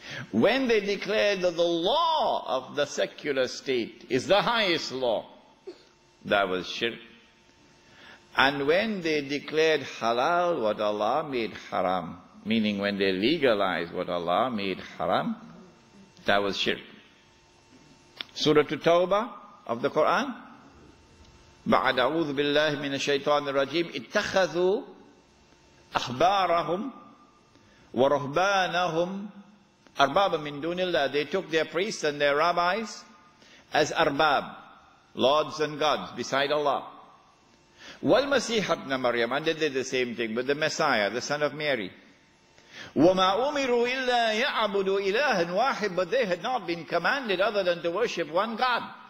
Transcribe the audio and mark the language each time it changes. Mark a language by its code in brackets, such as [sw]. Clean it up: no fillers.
[en] When they declared that the law of the secular state is the highest law, that was shirk. And when they declared halal what Allah made haram, meaning when they legalized what Allah made haram, that was shirk. Surah At-Tawbah of the Quran. [ar] بعد أعوذ بالله من الشيطان الرجيم اتخذوا أخبارهم ورهبانهم أربابا من دون الله. [en] They took their priests and their rabbis as أرباب, lords and gods beside Allah. [ar] والمسيح ابن مريم, [en] and they did the same thing with the Messiah, the son of Mary. [ar] وما أمروا إلا يعبدوا إلها واحد, [en] but they had not been commanded other than to worship one God.